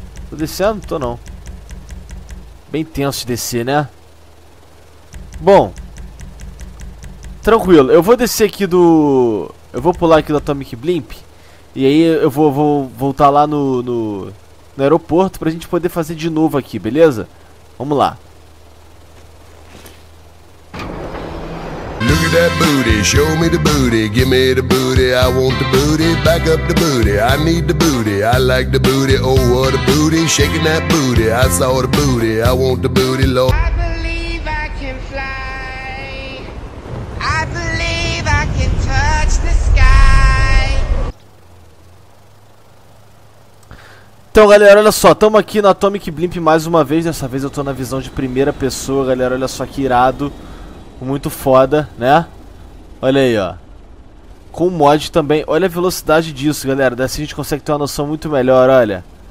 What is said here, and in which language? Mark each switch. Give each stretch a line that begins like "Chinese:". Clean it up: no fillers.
Portuguese: Tô descendo? Tô não. Bem tenso de descer, né? Bom. Tranquilo. Eu vou descer aqui do... eu vou pular aqui do Atomic Blimp. E aí eu vou voltar lá no aeroporto pra gente poder fazer de novo aqui, beleza? Vamos lá.
English: Look at that booty, show me the booty, give me the booty, I want the booty, back up the booty, I need the booty, I like the booty, oh what a booty, shaking that booty, I saw the booty, I want the booty, Lord. I believe I can fly, I believe I can touch the sky.
Portuguese: Então galera, olha só, tamo aqui no Atomic Blimp mais uma vez, dessa vez eu tô na visão de primeira pessoa, galera, olha só que irado. Muito foda, né? Olha aí, ó. Com o mod também. Olha a velocidade disso, galera. Dessa a gente consegue ter uma noção muito melhor, olha.